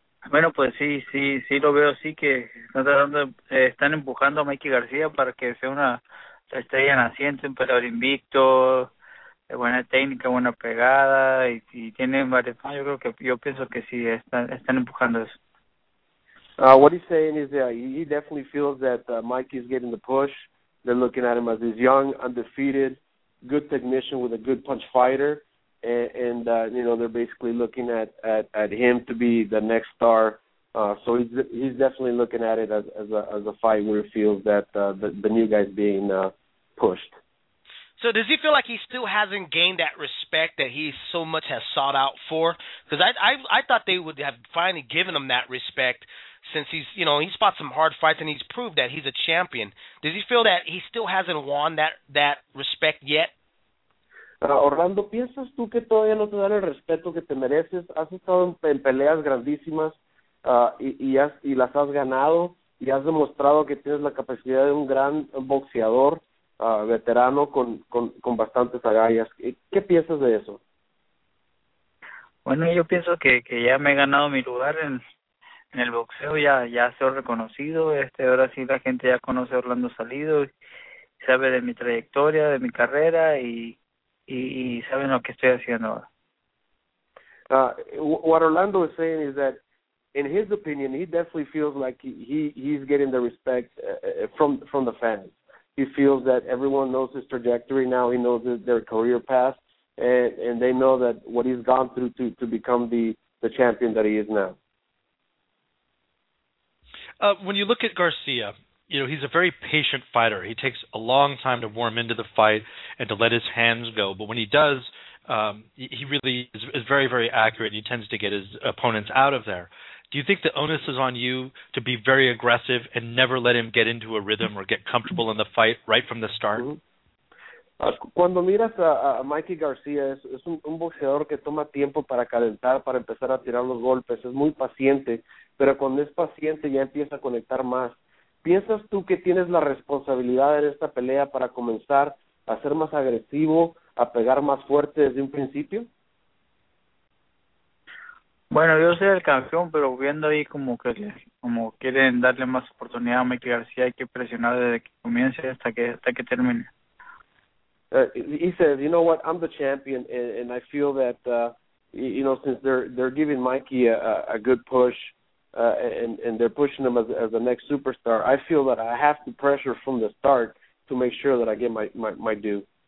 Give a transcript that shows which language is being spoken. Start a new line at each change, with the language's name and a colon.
Spanish: Bueno, pues sí lo veo así, que están empujando a Mikey García para que sea una estrella naciente, un peleador invicto, de buena técnica, buena pegada, y tiene varios años. Yo pienso que sí, están empujando eso.
English: What he's saying is that he definitely feels that Mikey is getting the push. They're looking at him as this young, undefeated, good technician with a good punch fighter. And you know, they're basically looking at him to be the next star. So he's definitely looking at it as a fight where he feels that the new guy's being pushed. So does he feel like he still hasn't gained that respect that he so much has sought out for? Because I thought they would have finally given him that respect. Since he's, you know, he's fought some hard fights and he's proved that he's a champion. Does he feel that he still hasn't won that respect yet?
Spanish: Orlando, ¿piensas tú que todavía no te dan el respeto que te mereces? Has estado en peleas grandísimas y las has ganado y has demostrado que tienes la capacidad de un gran boxeador veterano con bastantes agallas. ¿Qué piensas de eso? Bueno, yo pienso que ya me he ganado mi lugar en el boxeo, ya se ha reconocido. Ahora sí la gente ya conoce a Orlando Salido, sabe de mi trayectoria, de mi carrera, y saben lo que estoy haciendo ahora.
English: What Orlando is saying is that, in his opinion, he definitely feels like he's getting the respect from the fans. He feels that everyone knows his trajectory now. He knows their career path, and they know that what he's gone through to become the champion that he is now. When you look at Garcia, you know, he's a very patient fighter. He takes a long time to warm into the fight and to let his hands go. But when he does, he really is very, very accurate, and he tends to get his opponents out of there. Do you think the onus is on you to be very aggressive and never let him get into a rhythm or get comfortable in the fight right from the start?
Spanish: Cuando miras a Mikey Garcia, es un boxeador que toma tiempo para calentar, para empezar a tirar los golpes. Es muy paciente, pero cuando es paciente ya empieza a conectar más. ¿Piensas tú que tienes la responsabilidad en esta pelea para comenzar a ser más agresivo, a pegar más fuerte desde un principio? Bueno, yo soy el campeón, pero viendo ahí como quieren darle más oportunidad a Mikey García, hay que presionar desde que comience hasta que termine.
English: He says, you know what, I'm the champion, and I feel that, you know, since they're giving Mikey a good push, and they're pushing him as the next superstar, I feel that I have to pressure from the start to make sure that I get my due.